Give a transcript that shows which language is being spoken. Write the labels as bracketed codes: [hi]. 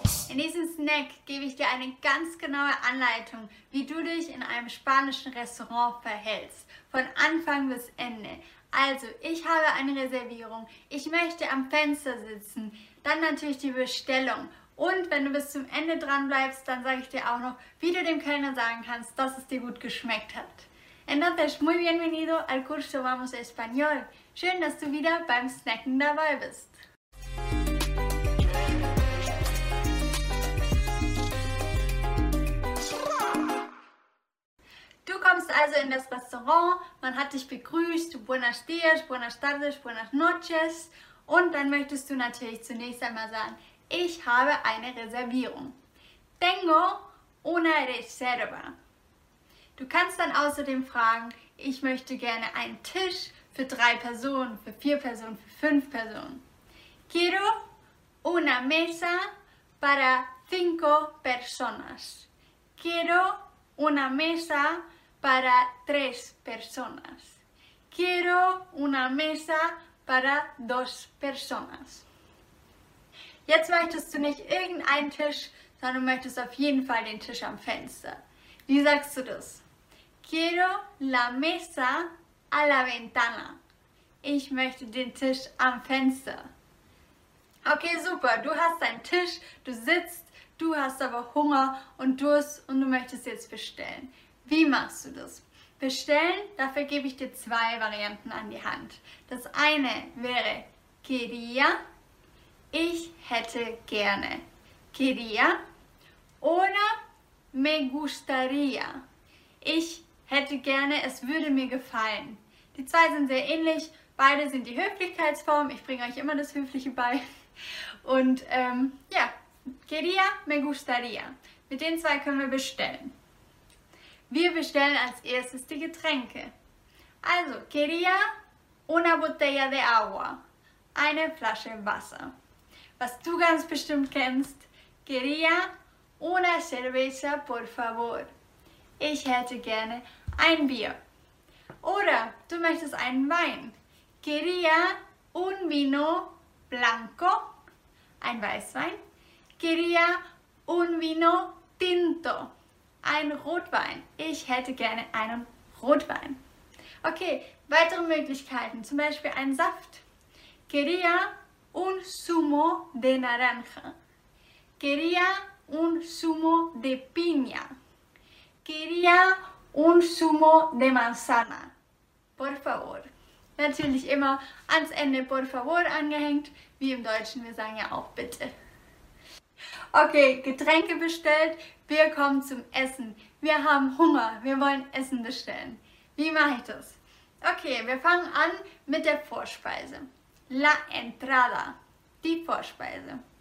[de] In diesem Snack gebe ich dir eine ganz genaue Anleitung, wie du dich in einem spanischen Restaurant verhältst. Von Anfang bis Ende. Also, ich habe eine Reservierung. Ich möchte am Fenster sitzen. Dann natürlich die Bestellung. Und wenn du bis zum Ende dran bleibst, dann sage ich dir auch noch, wie du dem Kellner sagen kannst, dass es dir gut geschmeckt hat. [es] Entonces, muy bienvenido al curso Vamos Español. [de] Schön, dass du wieder beim Snacken dabei bist. Du kommst also in das Restaurant, man hat dich begrüßt, [es] buenas dias, buenas tardes, buenas noches. [de] Und dann möchtest du natürlich zunächst einmal sagen, ich habe eine Reservierung. [es] Tengo una reserva. [de] Du kannst dann außerdem fragen, ich möchte gerne einen Tisch für 3 Personen, für 4 Personen, für 5 Personen. [es] Quiero una mesa para 5 personas. Quiero una mesa para 3 personas. Quiero una mesa para 2 personas. [de] Jetzt möchtest du nicht irgendeinen Tisch, sondern du möchtest auf jeden Fall den Tisch am Fenster. Wie sagst du das? [es] Quiero la mesa a la ventana. [de] Ich möchte den Tisch am Fenster. Okay, super. Du hast deinen Tisch, du sitzt, du hast aber Hunger und Durst und du möchtest jetzt bestellen. Wie machst du das? Bestellen, dafür gebe ich dir 2 Varianten an die Hand. Das eine wäre quería. Ich hätte gerne. Quería. [es] Oder me gustaría. [de] Ich hätte gerne, es würde mir gefallen. Die 2 sind sehr ähnlich. Beide sind die Höflichkeitsform. Ich bringe euch immer das Höfliche bei. Und ja, [es] quería, me gustaría. [de] Mit den 2 können wir bestellen. Wir bestellen als erstes die Getränke. [es] Also, quería una botella de agua. [de] Eine Flasche Wasser. Was du ganz bestimmt kennst, [es] quería una cerveza, por favor. [de] Ich hätte gerne ein Bier. Oder du möchtest einen Wein. [es] Quería un vino blanco, [de] ein Weißwein. [es] Quería un vino tinto, [de] ein Rotwein. Ich hätte gerne einen Rotwein. Okay, weitere Möglichkeiten, zum Beispiel einen Saft. [es] Quería un zumo de naranja. Quería un zumo de piña. Quería un zumo de manzana. Por favor. [de] Natürlich immer ans Ende por favor angehängt, wie im Deutschen, wir sagen ja auch bitte. Okay, Getränke bestellt, wir kommen zum Essen. Wir haben Hunger, wir wollen Essen bestellen. Wie mache ich das? Okay, wir fangen an mit der Vorspeise. La entrada, die Vorspeise.